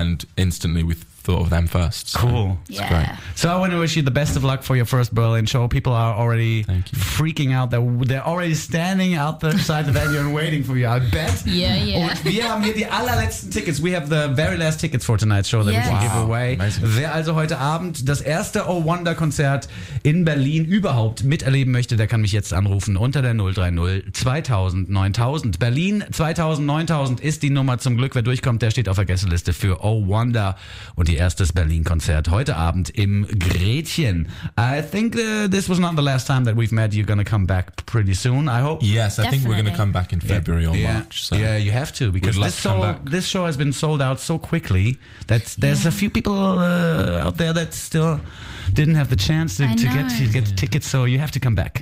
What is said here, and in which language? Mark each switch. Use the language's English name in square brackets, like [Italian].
[English] And instantly we thought of them first. So cool. It's great. So I want to wish you the best of luck for your first Berlin show. People are already freaking out. They're already standing outside the venue and waiting for you, I bet. Yeah. We have the [German] allerletzten [English] tickets. We have the very last tickets for tonight's show that we can give away. Amazing. [German] Wer also heute Abend das erste Oh Wonder Konzert in Berlin überhaupt miterleben möchte, der kann mich jetzt anrufen unter der 030 2000 9000. Berlin 2000 9000 ist die Nummer. Zum Glück, wer durchkommt, der steht auf der Gästeliste für Oh Wonder. Und die erste Berlin-Konzert heute Abend im Gretchen. [English] I think this was not the last time that we've met. You're going to come back pretty soon, I hope. Yes, definitely. I think we're going to come back in February or March. So. Yeah, you have to, because this show has been sold out so quickly that there's a few people out there that still didn't have the chance to get the tickets, so you have to come back.